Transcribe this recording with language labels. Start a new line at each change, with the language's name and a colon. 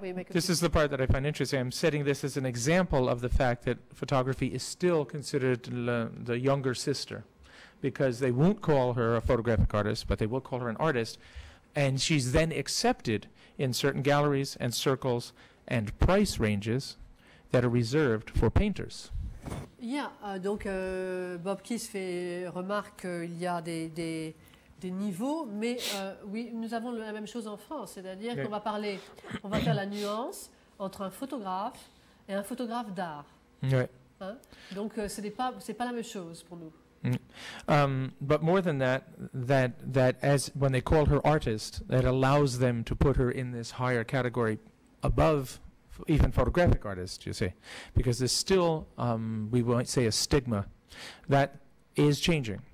English: This is the part that I find interesting. I'm setting this as an example of the fact that photography is still considered the younger sister, because they won't call her a photographic artist, but they will call her an artist. And she's then accepted in certain galleries and circles and price ranges that are reserved for painters.
French: Yeah, donc Bob Kiss fait remarque qu'il y a des niveaux, mais oui, nous avons la même chose en France, c'est-à-dire qu'on va parler, on va faire la nuance entre un photographe et un photographe d'art. Ouais. Hein? Donc, ce n'est pas, c'est pas la même chose pour nous. Mm.
English: But more than that, that as when they call her artist, that allows them to put her in this higher category above even photographic artist, you see, because there's still, we might say, a stigma that is changing.